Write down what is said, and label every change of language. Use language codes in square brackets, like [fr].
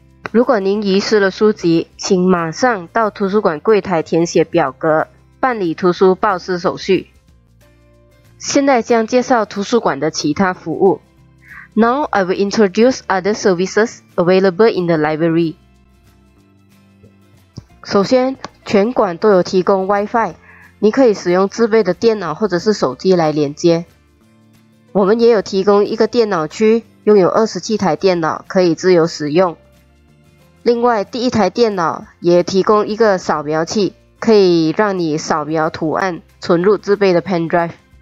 [zh] 如果您遗失了书籍，请马上到图书馆柜台填写表格，办理图书报失手续。现在将介绍图书馆的其他服务。 [en] Now I will introduce other services available in the library. [zh] 首先，全馆都有提供 Wi-Fi， 你可以使用自备的电脑或者是手机来连接。我们也有提供一个电脑区，拥有27台电脑可以自由使用。另外，第一台电脑也提供一个扫描器，可以让你扫描图案存入自备的 pen drive。